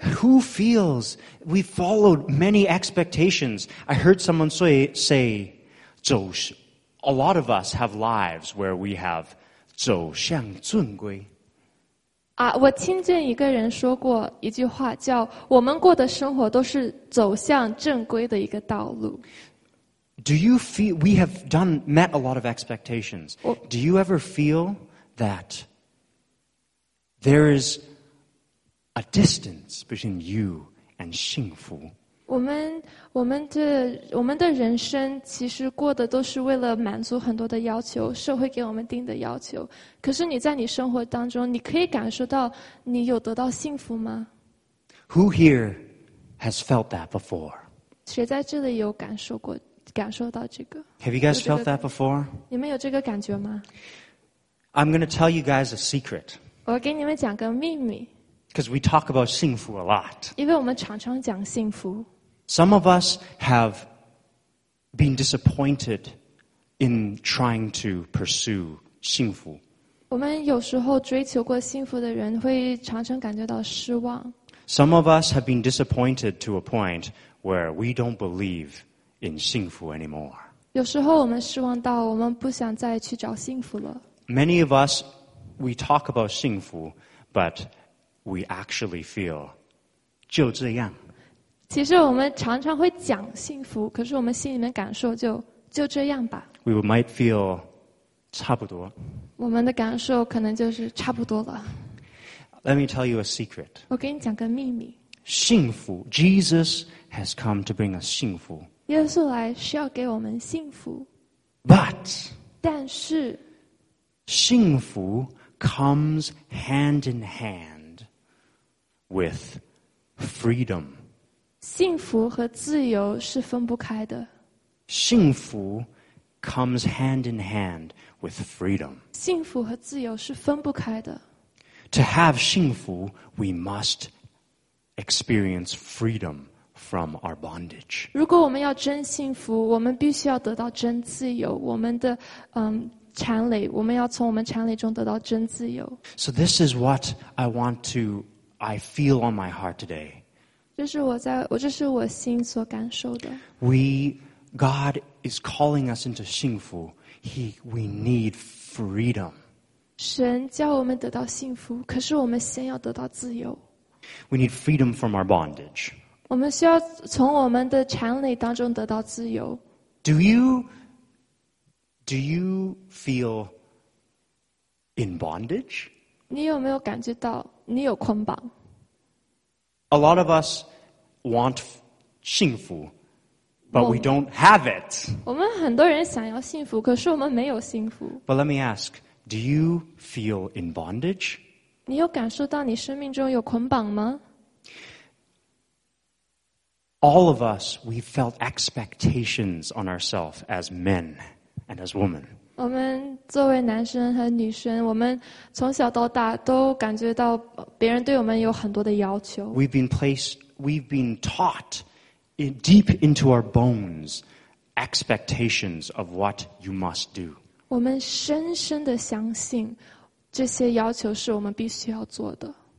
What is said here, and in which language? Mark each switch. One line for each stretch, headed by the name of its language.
English: But who feels we followed many expectations? I heard someone say,
Chinese: 走是。
English: A lot of us have lives where we have
Chinese: 走向尊归。我听见一个人说过一句话，叫我们过的生活都是走向正规的一个道路。
English: Do you feel we have done met a lot of expectations? Do you ever feel that there is a distance between you and 幸福？
Chinese: 我们的人生其实过的都是为了满足很多的要求，社会给我们定的要求。可是你在你生活当中，你可以感受到你有得到幸福吗
English: ？Who here has felt that before？
Chinese: 谁在这里有感受过、感受到这个
English: ？Have you guys felt that before？
Chinese: 你们有这个感觉吗
English: ？I'm going to tell you guys a secret。
Chinese: 我给你们讲个秘密。
English: Because we talk about 幸福 a lot.
Chinese: 因为我们常常讲幸福。
English: Some of us have been disappointed in trying to pursue 幸福。
Chinese: 我们有时候追求过幸福的人会常常感觉到失望。
English: Some of us have been disappointed to a point where we don't believe in 幸福 anymore.
Chinese: 有时候我们失望到我们不想再去找幸福了。
English: Many of us, we talk about 幸福, but we actually feel
Chinese: 就这样。其实我们常常会讲幸福，可是我们心里面感受就这样吧。
English: We might feel
Chinese: 差不多。我们的感受可能就是差不多了。
English: Let me tell you a secret.
Chinese: 我给你讲个秘密。
English: 幸福 ，Jesus has come to bring us 幸福。
Chinese: 耶稣来是要给我们幸福。
English: But
Chinese: 但是，
English: 幸福 comes hand in hand with freedom.
Chinese: 幸福和自由是分不开的。
English: 幸福 comes hand in hand with freedom.
Chinese: 幸福和自由是分不开的。
English: To have 幸福 we must experience freedom from our bondage.
Chinese: 如果我们要真幸福，我们必须要得到真自由。我们的缠累，我们要从我们缠累中得到真自由。
English: So this is what I feel on my heart today.
Chinese: 这是我心所感受的。
English: God is calling us into 幸福。We need freedom.
Chinese: 神叫我们得到幸福，可是我们先要得到自由。
English: We need freedom from our bondage.
Chinese: 我们需要从我们的缠累当中得到自由。
English: Do you feel in bondage?
Chinese: 你有没有感觉到你有捆绑？
English: A lot of us want 幸福 but we don't have it.
Chinese: 我们很多人想要幸福，可是我们没有幸福。
English: But let me ask, do you feel in bondage?
Chinese: 你有感受到你生命中有捆绑吗？
English: All of us, we felt expectations on ourselves as men. And as women,
Chinese: 我们作为男生和女生，我们从小到大都感觉到别人对我们有很多的要求。
English: We've been taught deep into our bones expectations of what you must do.
Chinese: 我们深深的相信这些要求是我们必须要做的。